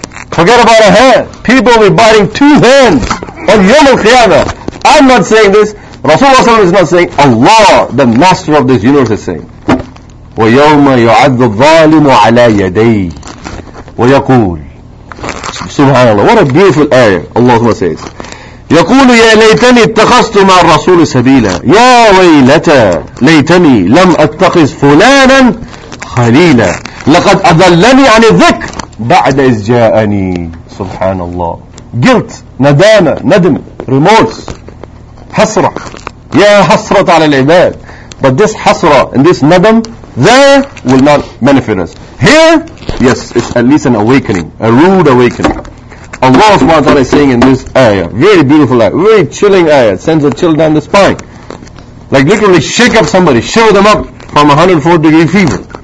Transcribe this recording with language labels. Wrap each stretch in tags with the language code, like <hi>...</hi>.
<en>Forget about a hand. People will be biting two hands on Yawm al-Qiyamah. I'm not saying this. Rasulullah is not saying. Allah, the master of this universe, is saying,</en> <ar>وَيَوْمَ يُعَدُّ الظَّالِمُ عَلَى يَدَيْهِ ويقول سبحانه.</ar> <en>What a beautiful ayah. Allah says,</en> <ar>يقول يا ليتني اتخذت مع الرسول سبيلا يا ويلتا ليتني لم اتخذ فلانا خليلا لقد اضلني عن الذكر بعد اذ جاءني. سبحان الله.</ar> <en>Guilt, ندامة, ندم, remorse, حسرة.</en> <ar>يا حسرة على العباد.</ar> <en>But this حسرة and this ندم there will not benefit us. Here, yes, it's at least an awakening, a rude awakening. Allah subhanahu wa ta'ala is saying in this ayah, very beautiful ayah, very chilling ayah, sends a chill down the spine. Like literally shake up somebody, shiver them up from 104 degree fever.</en>